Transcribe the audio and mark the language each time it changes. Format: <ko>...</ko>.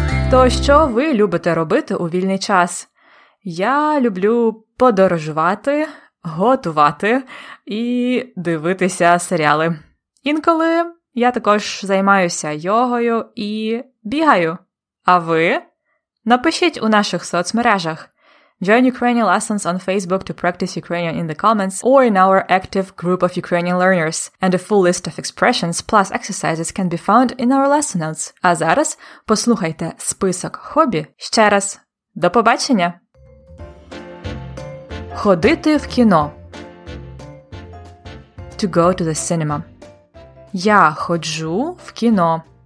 <uk>То що ви любите робити у вільний час? Я люблю подорожувати, готувати і дивитися серіали. Інколи я також займаюся йогою і бігаю. А ви? Напишіть у наших соцмережах.</uk> <en>Join Ukrainian Lessons on Facebook to practice Ukrainian in the comments or in our active group of Ukrainian learners. And a full list of expressions plus exercises can be found in our lesson notes.</en> <uk>А зараз послухайте список хобі ще раз. До побачення! Ходити в кіно.</uk> <en>To go to the cinema.</en> <uk>Я ходжу в кіно.</uk>